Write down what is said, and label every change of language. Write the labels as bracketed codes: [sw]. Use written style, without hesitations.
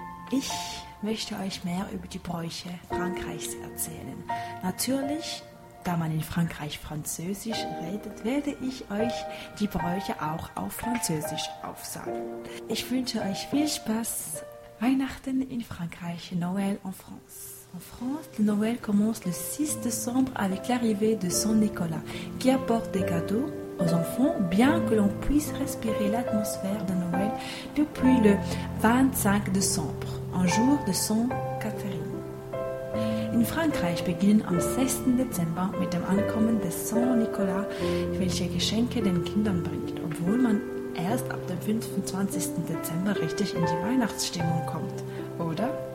[de] Ich möchte euch mehr über die Bräuche Frankreichs erzählen. Natürlich, da man in Frankreich Französisch redet, werde ich euch die Bräuche auch auf Französisch aufsagen. Ich wünsche euch viel Spaß. Weihnachten in Frankreich, [fr] Noël en France. En France, le Noël commence le 6 décembre avec l'arrivée de Saint-Nicolas, qui apporte des cadeaux aux enfants, bien que l'on puisse respirer l'atmosphère de Noël depuis le 25 décembre, un jour de Sainte-Catherine. [de] In Frankreich beginnt am 6. Dezember mit dem Ankommen des Saint-Nicolas, welcher Geschenke den Kindern bringt, obwohl man erst ab dem 25. Dezember richtig in die Weihnachtsstimmung kommt, oder?